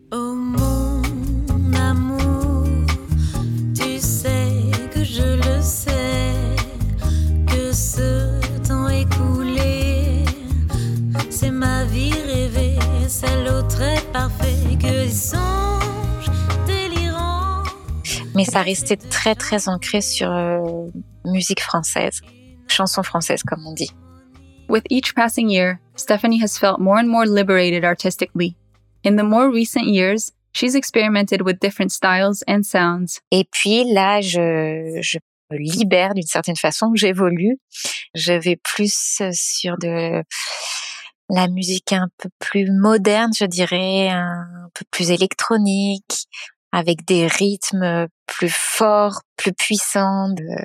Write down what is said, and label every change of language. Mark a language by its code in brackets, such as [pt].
[fr] Oh mon amour, tu sais que je le sais, que ce temps écoulé, c'est ma vie rêvée, celle au trait parfait, que les songes délirants. Mais ça restait très très ancré sur musique française. Chanson française, comme on dit. [en] With each passing year, Stephanie has felt more and more liberated artistically. In the more recent years, she's experimented with different styles and sounds. [fr] Et puis là, je me libère d'une certaine façon, j'évolue. Je vais plus sur de la musique un peu plus moderne, je dirais, un peu plus électronique, avec des rythmes plus forts, plus puissants, de...